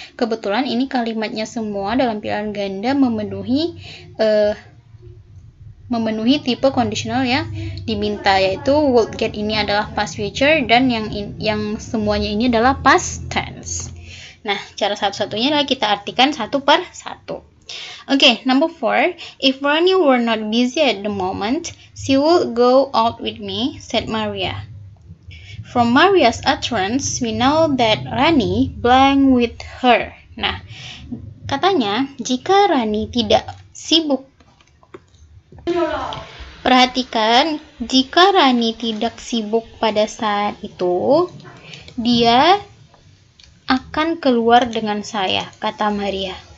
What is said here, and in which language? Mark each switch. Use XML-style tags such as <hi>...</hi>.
<id>Kebetulan ini kalimatnya semua dalam pilihan ganda memenuhi tipe conditional yang diminta, yaitu would get ini adalah past future, dan yang semuanya ini adalah past tense. Nah, cara satu-satunya adalah kita artikan satu per satu.</id> <en>Okay, number 4. If Ronnie were not busy at the moment, she would go out with me, said Maria. From Maria's utterance, we know that Ronnie blank with her.</en> <id>Nah, katanya, jika Ronnie tidak sibuk, perhatikan, jika Rani tidak sibuk pada saat itu, dia akan keluar dengan saya, kata Maria.</id>